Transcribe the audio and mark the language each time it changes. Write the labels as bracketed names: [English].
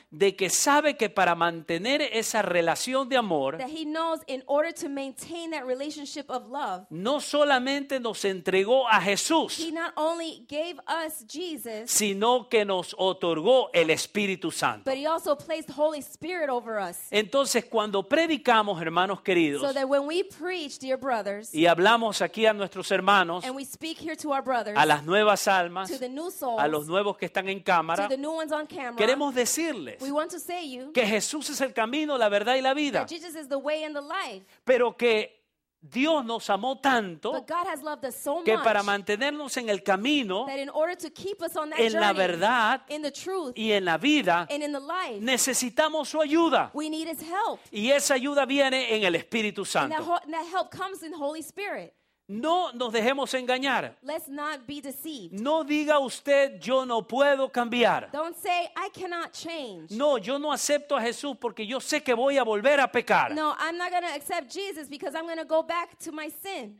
[Spanish] de que sabe que para mantener esa relación de amor [English] that he knows in order to maintain that relationship of love, [Spanish] no solamente nos entregó a Jesús [English] he not only gave us Jesus, [Spanish] sino que nos otorgó el Espíritu Santo [English] but he also placed Holy Spirit over us. [Spanish] Entonces cuando predicamos hermanos queridos [English] so that when we preach, dear brothers, [Spanish] y hablamos aquí a nuestros hermanos [English] and we speak here to our brothers, [Spanish] a las nuevas almas [English] to the new souls, [Spanish] a los nuevos que están en cámara [English] to the new ones on camera, [Spanish] queremos decirles [English] we want to say you, [Spanish] que Jesús es el camino, la verdad y la vida. [English] That Jesus is the way and the life. [Spanish] Pero que Dios nos amó tanto [English] but God has loved us so [Spanish] que [English] much, [Spanish] para mantenernos en el camino [English] that in order to keep us on that [Spanish] en [English] journey, [Spanish] la verdad [English] in the truth, [Spanish] y en la vida [English] and in the life, [Spanish] necesitamos su ayuda. [English] We need his help. [Spanish] Y esa ayuda viene en el Espíritu Santo. [English] And that help comes in the Holy Spirit. [Spanish] No nos dejemos engañar. [English] Let's not be deceived. [Spanish] No diga usted, yo no puedo cambiar. [English] Don't say, I cannot change. [Spanish] No, yo no acepto a Jesús porque yo sé que voy a volver a pecar. [English] No, I'm not going to accept Jesus because I'm going to go back to my sin.